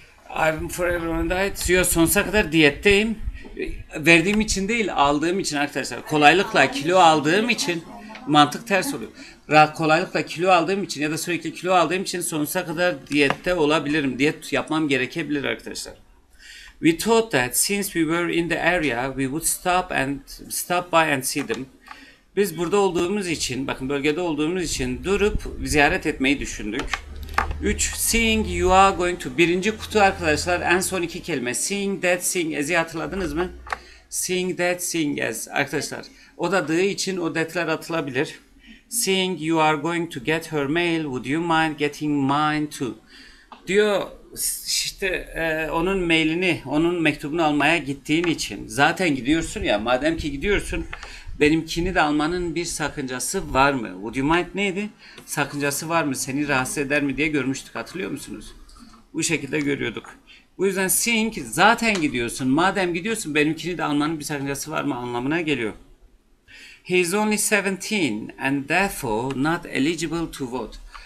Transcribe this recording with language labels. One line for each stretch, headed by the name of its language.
English: I'm forever on a diet.
Turkish: Yok, sonsuza kadar diyetteyim. Verdiğim için değil, aldığım için arkadaşlar. Kolaylıkla kilo aldığım için mantık ters oluyor. Kolaylıkla kilo aldığım için ya da sürekli kilo aldığım için sonsuza kadar diyette olabilirim. Diyet yapmam gerekebilir arkadaşlar.
English: We thought that since we were in the area, we would stop by and see them.
Turkish: Biz burada olduğumuz için, bakın bölgede olduğumuz için durup ziyaret etmeyi düşündük. 3.
English: Seeing you are going to.
Turkish: Birinci kutu arkadaşlar, en son iki kelime.
English: Seeing that, seeing as'i
Turkish: hatırladınız mı?
English: Seeing that, seeing as.
Turkish: Arkadaşlar o da the için o that'ler atılabilir.
English: Seeing you are going to get her mail, would you mind getting mine too?
Turkish: Diyor işte onun mailini, onun mektubunu almaya gittiğin için. Zaten gidiyorsun ya, madem ki gidiyorsun benimkini de almanın bir sakıncası var mı?
English: Would you mind
Turkish: neydi? Sakıncası var mı? Seni rahatsız eder mi diye görmüştük. Hatırlıyor musunuz? Bu şekilde görüyorduk. Bu yüzden seeing zaten gidiyorsun. Madem gidiyorsun benimkini de almanın bir sakıncası var mı anlamına geliyor.
English: He is only 17 and therefore not eligible to vote.